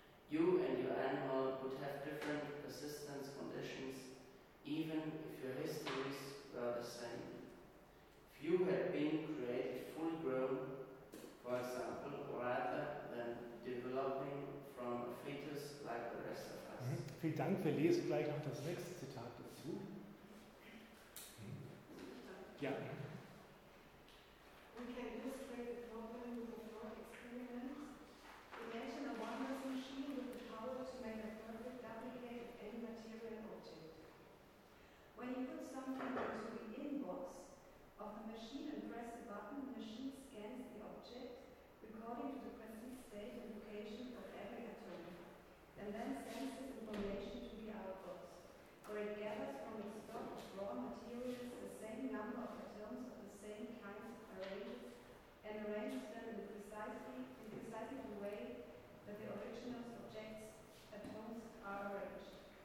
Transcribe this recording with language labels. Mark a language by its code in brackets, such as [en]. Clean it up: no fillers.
[en] You and your animal would have different persistence conditions even if your histories were the same. If you had been created fully grown, for example, rather than developing from a fetus like the rest of us. Mm-hmm. [de] Vielen Dank, wir lesen gleich noch das nächste Zitat dazu. Ja. [en] We can illustrate the problem with a thought experiment. Imagine a wondrous machine with the power to make a perfect duplicate of any material object. When you put something into the inbox of the machine and press the button, the machine scans the object according to the present state and location of every atom, and then sends this information to the outbox, where it gathers from its stock of raw materials the same number of atoms of the same kinds of arrays and arranges them in precisely the way that the original object's atoms are arranged.